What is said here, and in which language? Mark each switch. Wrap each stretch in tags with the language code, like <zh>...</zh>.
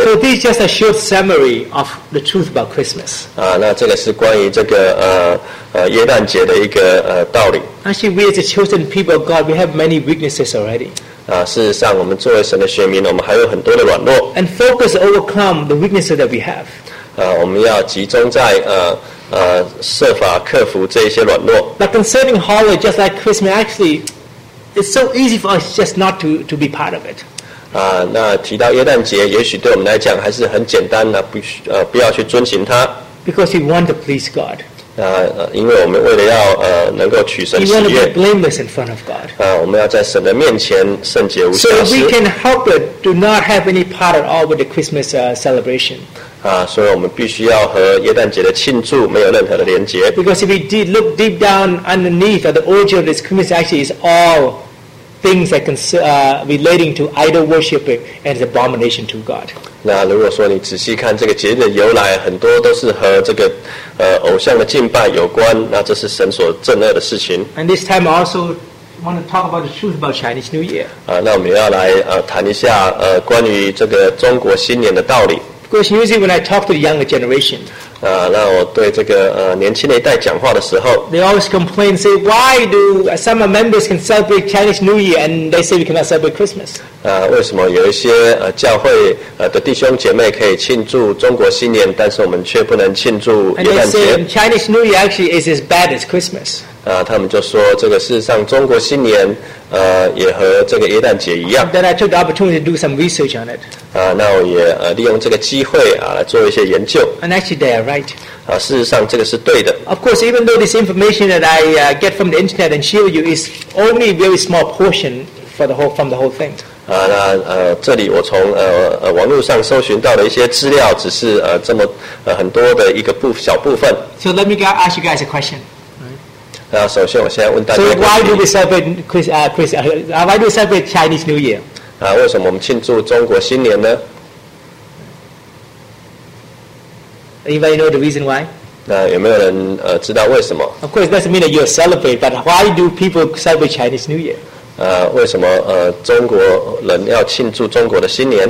<en>So this is just a short summary of the truth about Christmas.</en> <zh>那这个是关于这个耶诞节的一个道理。</zh> <en>Actually, we as a chosen people of God, we have many weaknesses already.</en> <zh>事实上，我们作为神的选民，我们还有很多的软弱。</zh> <en>And focus overcome the weaknesses that we have.</en> <zh>我们要集中在设法克服这些软弱。</zh> <en>But concerning holiday, just like Christmas, actually, it's so easy for us just not to be part of it.</en> <zh>那提到耶诞节，也许对我们来讲还是很简单的，不要去遵循它。</zh> <en>Because we want to please God.</en> <zh>因为我们为了要能够取神喜悦。</zh> <en>We want to be blameless in front of God.</en> <zh>我们要在神的面前圣洁无瑕疵。</zh> <en>So we can help it to not have any part at all with the Christmas celebration.</en> <zh>所以我们必须要和耶诞节的庆祝没有任何的连结。</zh> <en>Because if we did look deep down underneath at the origin of this Christmas, actually, is all things that relating to idol worship and the abomination to God.</en> <zh>那如果说你仔细看这个节日的由来，很多都是和这个偶像的敬拜有关。那这是神所憎恶的事情。</zh> <en>And this time also. Want to talk about the truth about Chinese New Year?</en> <zh>那我们要来谈一下关于这个中国新年的道理。</zh> <en>Because usually when I talk to the younger generation,</en> <zh>那我对这个年轻的一代讲话的时候</zh> <en>，they always complain, say, why do some members can celebrate Chinese New Year and they say we cannot celebrate Christmas?</en> <zh>为什么有一些教会的弟兄姐妹可以庆祝中国新年，但是我们却不能庆祝耶诞节</zh> <en>？And they say Chinese New Year actually is as bad as Christmas.</en> <zh>他们就说这个事实上中国新年也和这个耶诞节一样。</zh> <en>Then I took the opportunity to do some research on it.</en> <zh>那我也利用这个机会来做一些研究。</zh> <en>And actually they are right.</en> <zh>事实上这个是对的。</zh> <en>Of course, even though this information that I get from the internet and share with you is only a very small portion for the whole, from the whole thing.</en> <zh>那这里我从网络上搜寻到的一些资料只是这么很多的一个小部分。</zh> <en>So let me ask you guys a question.</en> <zh>首先我现在问大家一个问题。</zh> <en>So why do we celebrate why do we celebrate Chinese New Year?</en> <zh>为什么我们庆祝中国新年呢？</zh> <en>Anybody know the reason why?</en> <zh>有没有人知道为什么？</zh> <en>Of course, it doesn't mean that you celebrate, but why do people celebrate Chinese New Year?</en> <zh>为什么中国人要庆祝中国的新年？</zh>